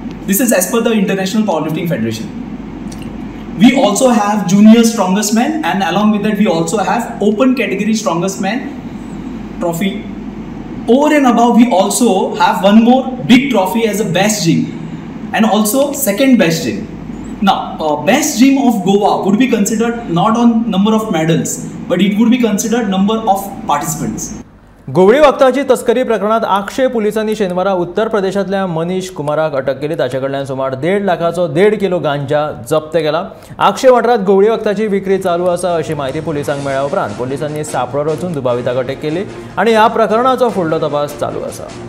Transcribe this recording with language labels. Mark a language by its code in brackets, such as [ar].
[en] This is as per the International Powerlifting Federation. We also have junior strongest men, and along with that we also have open category strongest men trophy. Over and above, we also have one more big trophy as a best gym and also second best gym. Now, best gym of Goa would be considered not on number of medals, but it would be considered number of participants. [gom] गोवळी वखदाची तस्करी प्रकरणात आक्षेप पोलिसांनी शेनवारा उत्तर प्रदेशातल्या मनीष कुमाराक अटक केली. ताचे कडल्यान सुमार 1.5 लाखाचो 1.5 किलो गांजा जप्त केला. आक्षेप वाठारात गोवळी वखदाची विक्री चालू आसा अशी माहिती पोलिसांक मेळ्या उपरांत पोलिसांनी सापळो रचून दुबावीताक अटक केली आनी ह्या प्रकरणाचो फुडलो तपास चालू आसा.